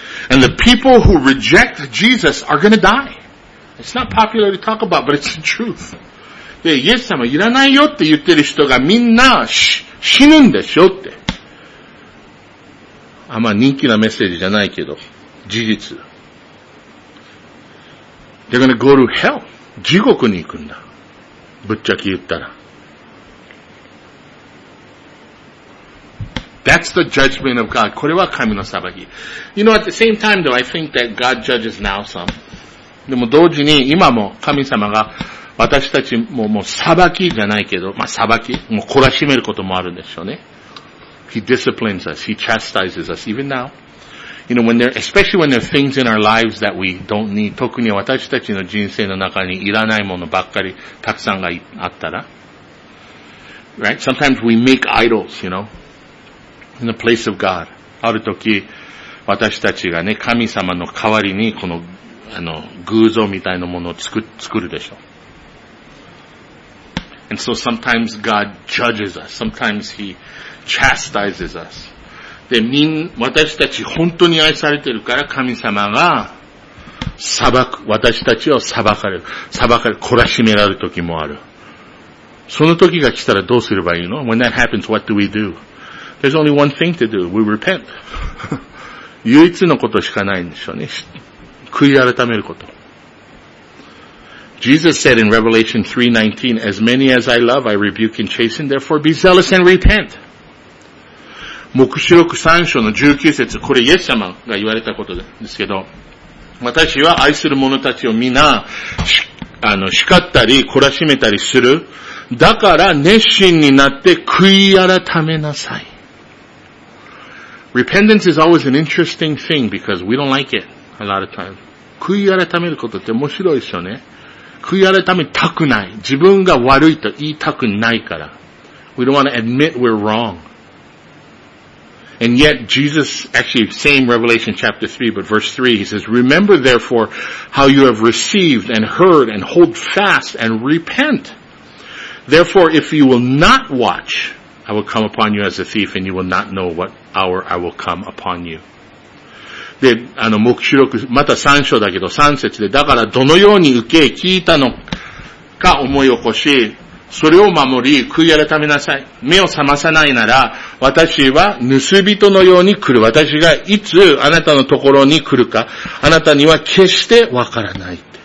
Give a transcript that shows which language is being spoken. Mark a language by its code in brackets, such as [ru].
[en] And the people who reject Jesus are gonna die. It's not popular to talk about, but it's the truth. [ja] で、イエス様いらないよって言ってる人がみんな死ぬんでしょって。あんま人気なメッセージじゃないけど、事実。 [en] They're gonna go to hell. [ja] 地獄に行くんだ。ぶっちゃけ言ったら。 [en] That's the judgment of God. [ja] これは神の裁き。 [en] You know, at the same time though, I think that God judges now some. [ja] でも同時に今も神様が私たちももう裁きじゃないけど、まあ裁き、もう懲らしめることもあるんでしょうね。 [en] He disciplines us. He chastises us even now. You know, especially when there are things in our lives that we don't need, [ja] 特に私たちの人生の中にいらないものばっかりたくさんがあったら。 [en] Right? Sometimes we make idols, you know, in the place of God. [ja] ある時、私たちがね、神様の代わりにこの、偶像みたいなものを作るでしょ。 [en] And so sometimes God judges us. Sometimes He chastises us. [ja] で、私たち本当に愛されてるから神様が私たちを裁かれる、懲らしめられる時もある。その時が来たらどうすればいいの? [en] When that happens, what do we do? There's only one thing to do. We repent. [ja] 唯一のことしかないんでしょうね。悔い改めること。 Jesus said in Revelation 3:19, As many as I love, I rebuke and chasten, therefore be zealous and repent. 黙示録3章の19節、これイエス様が言われたことですけど、私は愛する者たちを皆、叱ったり、懲らしめたりする。だから、熱心になって、悔い改めなさい。 [en] Repentance is always an interesting thing because we don't like it a lot of times. [ja] 悔い改めることって面白いですよね。悔い改めたくない。自分が悪いと言いたくないから。 [en] We don't want to admit we're wrong. And yet Jesus, actually same Revelation chapter 3, but verse 3, he says, remember therefore how you have received and heard and hold fast and repent. Therefore, if you will not watch, I will come upon you as a thief and you will not know what hour I will come upon you. [ja] で、あの、黙示録、また3章だけど3節で、だからどのように受け聞いたのか思い起こし、それを守り、悔い改めなさい。目を覚まさないなら、私は盗人のように来る。私がいつあなたのところに来るか、あなたには決してわからない。